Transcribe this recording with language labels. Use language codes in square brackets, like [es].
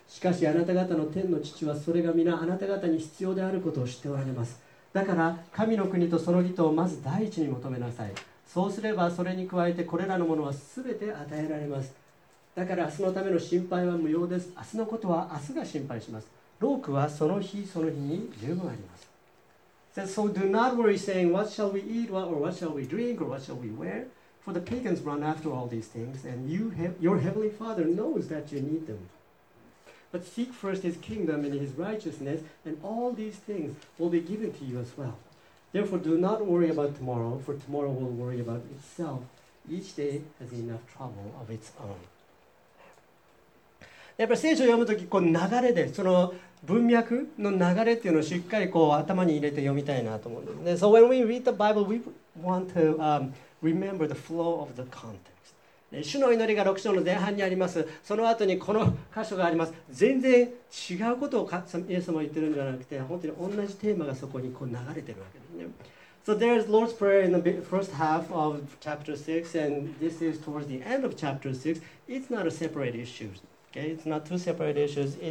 [ja] しかしあなた方の天の父はそれが皆あなた方に必要であることを知っておられます。だから神の国とその義とをまず第一に求めなさい。そうすればそれに加えてこれらのものはすべて与えられます。だから明日のための心配は無用です。明日のことは明日が心配します。労苦はその日その日に十分あります。 [en] So do not worry saying what shall we eat or what shall we drink or what shall we wear? For the pagans run after all these things, and your heavenly Father knows that you need them. But seek first His kingdom and His righteousness, and all these things will be given to you as well. Therefore, do not worry about tomorrow, for tomorrow will worry about itself. Each day has enough trouble of its own. [ja] やっぱり聖書を読むとき、こう流れで、その文脈の流れっていうのをしっかりこう頭に入れて読みたいなと思うんですね。 [en] So when we read the Bible, we want to... Remember the flow of the context. [ja] 主の祈りが6章の前半にあります。その後にこの箇所があります。全然違うことをイエス様言ってるんじゃなくて、本当に同じテーマがそこにこう流れてるわけですね。 [en] So there's Lord's Prayer in the first half of chapter 6, and this is towards the end of chapter 6. It's not a separate issue. Okay, it's not two separate issues.